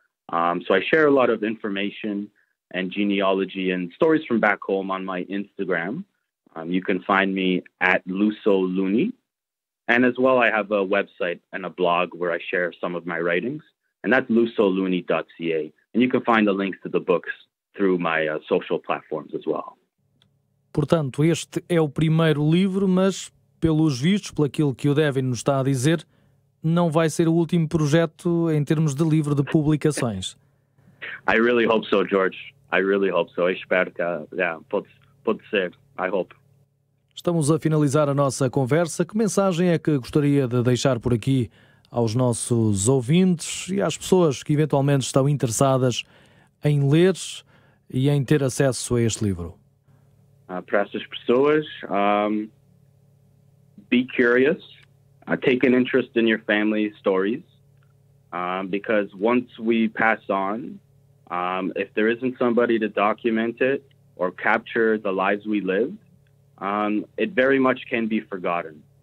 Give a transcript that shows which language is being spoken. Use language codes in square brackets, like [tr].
[en] So I share a lot of information and genealogy and stories from back home on my Instagram. You can find me at luso-looney. And as well, I have a website and a blog where I share some of my writings. And that's luso-looney.ca. And you can find the links to the books through my social platforms as well. [pt] Portanto, este é o primeiro livro, mas, pelos vistos, por aquilo que o Devin nos está a dizer, não vai ser o último projeto em termos de livro de publicações. [en] I really hope so, George. I really hope so. [pt] Espero que... pode ser. [en] I hope. [pt] Estamos a finalizar a nossa conversa. Que mensagem é que gostaria de deixar por aqui aos nossos ouvintes e às pessoas que eventualmente estão interessadas em ler e em ter acesso a este livro? Para essas pessoas, [en] be curious, take an interest in your family stories, because once we pass on, if there isn't somebody to document it or capture the lives we lived, it very much can be forgotten.